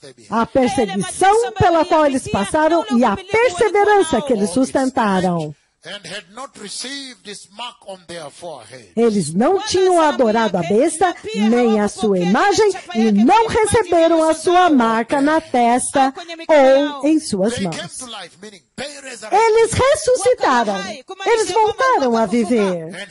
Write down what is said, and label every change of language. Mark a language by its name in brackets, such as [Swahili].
[Portuguese] A perseguição pela qual eles passaram e a perseverança que eles sustentaram. [English] And had not received this mark on their forehead. [Portuguese] Eles não tinham adorado a besta, nem a sua imagem, e não receberam a sua marca na testa ou em suas mãos. Eles ressuscitaram. Eles voltaram a viver.